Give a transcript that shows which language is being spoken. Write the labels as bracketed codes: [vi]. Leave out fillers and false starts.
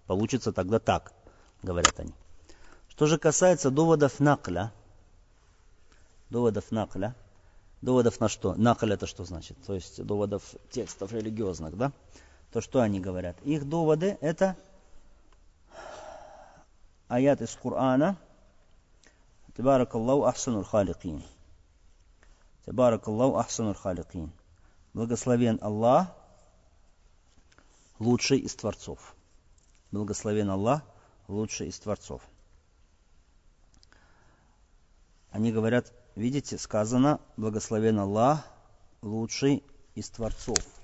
[ru] Получится тогда так, говорят они. Что же касается доводов накля, доводов на что? Накль это что значит? То есть доводов текстов религиозных, да? То что они говорят? Их доводы это аят из Корана, [ar] تبارك الله أحسن الخالقين. تبارك الله أحسن الخالقين. [ru] Благословен Аллах, лучший из творцов. Благословен Аллах, лучший из творцов. Они говорят, видите, сказано, благословен Аллах, лучший из творцов.